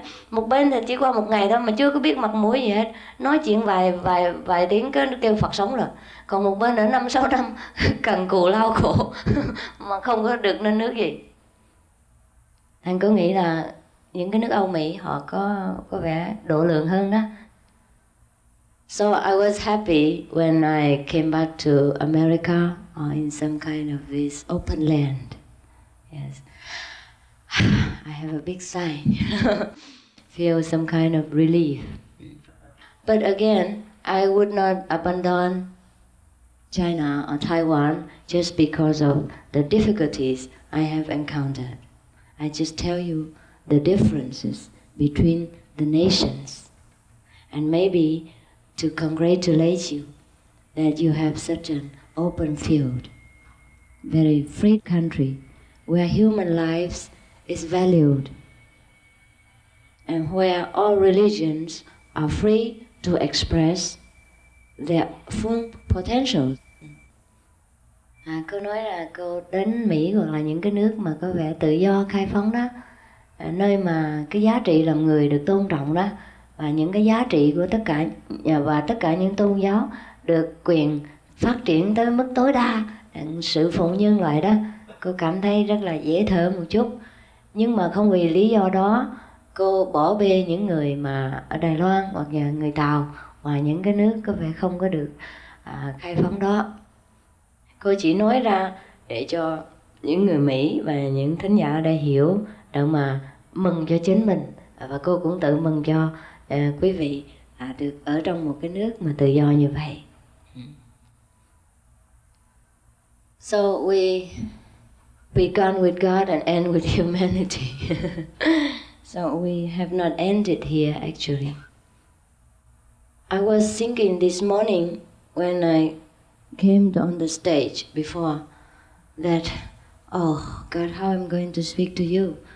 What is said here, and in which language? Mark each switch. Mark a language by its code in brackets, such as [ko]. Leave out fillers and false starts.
[vi] Một bên thì chỉ qua một ngày thôi mà chưa có biết mặt mũi gì hết, nói chuyện vài tiếng cứ kêu Phật sống rồi. Còn một bên ở 5-6 năm cần cù lao khổ mà không có được lên nước gì. Anh cứ nghĩ là những cái nước Âu Mỹ họ có vẻ độ lượng hơn đó. [en] So I was happy when I came back to America or in some kind of this open land. Yes. I have a big sign. Feel some kind of relief. But again, I would not abandon China or Taiwan just because of the difficulties I have encountered. I just tell you the differences between the nations. And maybe to congratulate you that you have such an open field, very free country where human lives is valued, and where all religions are free to express their full potential. [vi] Cô nói là cô đến Mỹ hoặc là những cái nước mà có vẻ tự do khai phóng đó, nơi mà cái giá trị làm người được tôn trọng đó, và những cái giá trị của tất cả và tất cả những tôn giáo được quyền phát triển tới mức tối đa để sự phụng nhân loại đó. Cô cảm thấy rất là dễ thở một chút. Nhưng mà không vì lý do đó cô bỏ bê những người mà ở Đài Loan hoặc là người Tàu và những cái nước có vẻ không có được khai phóng đó. Cô chỉ nói ra để cho những người Mỹ và những thính giả ở đây hiểu để mà mừng cho chính mình, và cô cũng tự mừng cho quý vị được ở trong một cái nước mà tự do như vậy. [en] So we begun with God and end with humanity. So we have not ended here actually. I was thinking this morning when I came on the stage before that, oh God, how I'm going to speak to you?